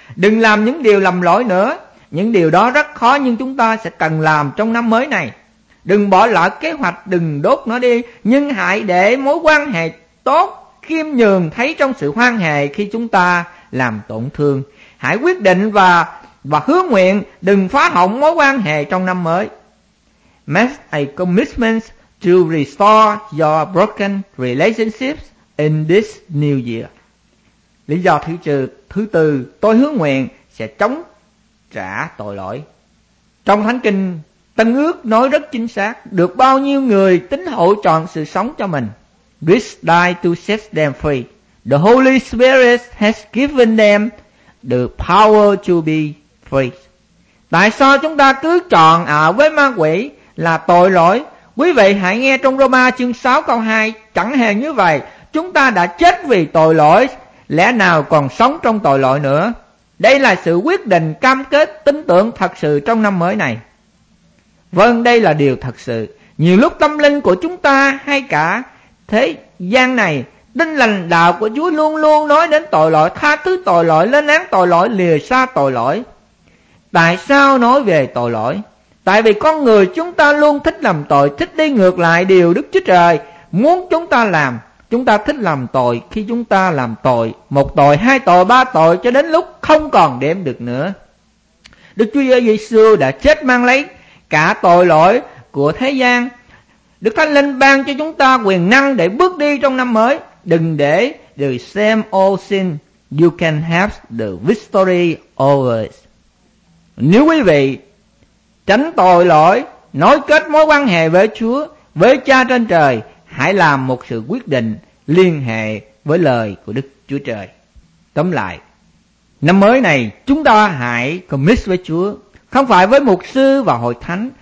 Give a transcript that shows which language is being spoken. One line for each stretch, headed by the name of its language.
Vietnamese: Đừng làm những điều lầm lỗi nữa. Những điều đó rất khó nhưng chúng ta sẽ cần làm trong năm mới này. Đừng bỏ lỡ kế hoạch, đừng đốt nó đi, nhưng hãy để mối quan hệ tốt khiêm nhường thấy trong sự quan hệ khi chúng ta làm tổn thương. Hãy quyết định và hứa nguyện đừng phá hỏng mối quan hệ trong năm mới.
English: Make a commitment to restore your broken relationships in this new year.
Vietnamese: Lý do thứ tư, tôi hứa nguyện sẽ chống trả tội lỗi. Trong Thánh Kinh, Tân Ước nói rất chính xác, được bao nhiêu người tín hữu chọn sự sống cho mình.
English: Christ died to set them free. The Holy Spirit has given them the power to be free.
Vietnamese: Tại sao chúng ta cứ chọn với ma quỷ là tội lỗi? Quý vị hãy nghe trong Roma chương 6 câu 2, chẳng hề như vậy. Chúng ta đã chết vì tội lỗi, lẽ nào còn sống trong tội lỗi nữa? Đây là sự quyết định cam kết tin tưởng thật sự trong năm mới này. Vâng, đây là điều thật sự. Nhiều lúc tâm linh của chúng ta hay cả thế gian này, tin lành đạo của Chúa luôn luôn nói đến tội lỗi, tha thứ tội lỗi, lên án tội lỗi, lìa xa tội lỗi. Tại sao nói về tội lỗi? Tại vì con người chúng ta luôn thích làm tội, thích đi ngược lại điều Đức Chúa Trời muốn chúng ta làm. Chúng ta thích làm tội khi chúng ta làm tội, một tội, hai tội, ba tội, cho đến lúc không còn đếm được nữa. Đức Chúa Giêsu đã chết mang lấy cả tội lỗi của thế gian. Đức Thánh Linh ban cho chúng ta quyền năng để bước đi trong năm mới. Đừng để
English: the same old sin, you can have the victory over it.
Vietnamese: Nếu quý vị tránh tội lỗi, nối kết mối quan hệ với Chúa, với Cha trên trời, hãy làm một sự quyết định liên hệ với lời của Đức Chúa Trời. Tóm lại, năm mới này chúng ta hãy commit với Chúa, không phải với mục sư và hội thánh.